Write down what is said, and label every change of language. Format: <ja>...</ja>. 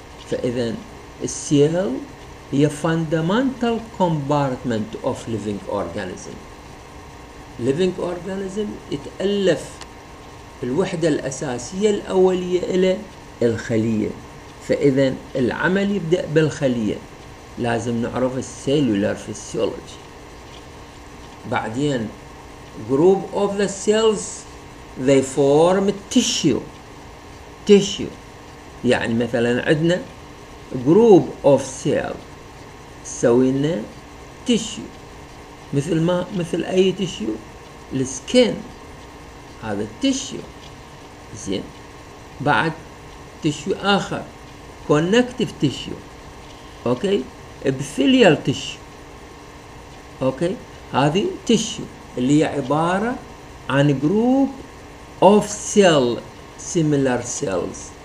<ar>فاذا السيل هي</ar> <en>fundamental compartment of living organism. Living organism</en> <ar>يتألف الوحدة الأساسية الأولية إلى الخلية. فإذا العمل يبدأ بالخلية، لازم نعرف السيلولار فيسيولوجي.</ar> <en>بعدين group of the cells they form tissue.</en> <ar>يعني مثلا عندنا</ar> <en>group of cells</en> <ar>سوينا تيشيو، مثل ما مثل اي تيشيو السكين، هذا التيشيو. زين، بعد تيشيو اخر كونكتيف تيشيو، اوكي، ابثيليال تيشيو، اوكي، هذه تيشيو اللي هي عباره عن</ar> <en>Group of cell similar cells.</en>